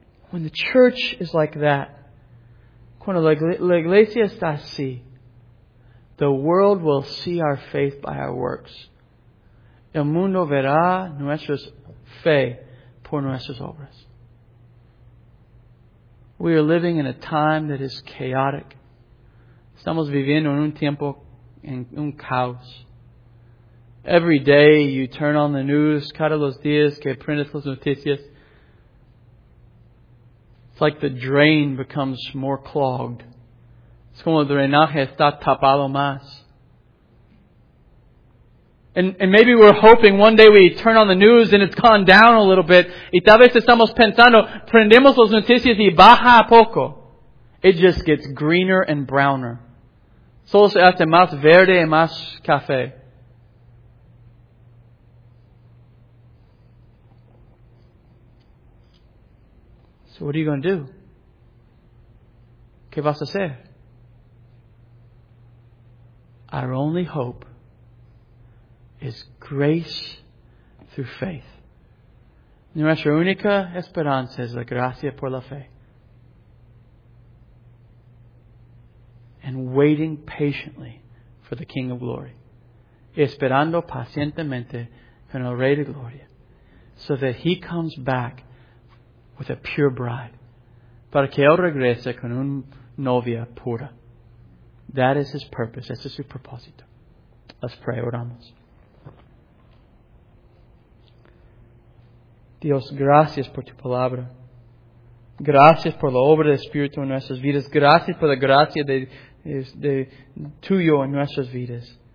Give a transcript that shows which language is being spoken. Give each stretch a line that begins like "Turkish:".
English: When the church is like that,
Spanish: cuando la iglesia está así,
English: the world will see our faith by our works.
Spanish: El mundo verá nuestra fe por nuestras obras.
English: We are living in a time that is chaotic.
Spanish: Estamos viviendo en un tiempo en un caos.
English: Every day you turn on the news,
Spanish: cada los días que prendes las noticias,
English: it's like the drain becomes more clogged.
Spanish: Es como el drenaje está tapado más.
English: And maybe we're hoping one day we turn on the news and it's gone down a little bit.
Spanish: Y tal vez estamos pensando, prendemos las noticias y baja a poco.
English: It just gets greener and browner.
Spanish: Solo se hace más verde y más café.
English: So what are you going to do?
Spanish: ¿Qué vas a hacer?
English: Our only hope is grace through faith.
Spanish: Nuestra única esperanza es la gracia por la fe.
English: And waiting patiently for the King of Glory.
Spanish: Esperando pacientemente con el Rey de Gloria.
English: So that He comes back with a pure bride.
Spanish: Para que Él regrese con una novia pura.
English: That is His purpose. That's His propósito. Let's pray.
Spanish: Oramos. Dios, gracias por tu palabra. Gracias por la obra del Espíritu en nuestras vidas. Gracias por la gracia de tuyo en nuestras vidas.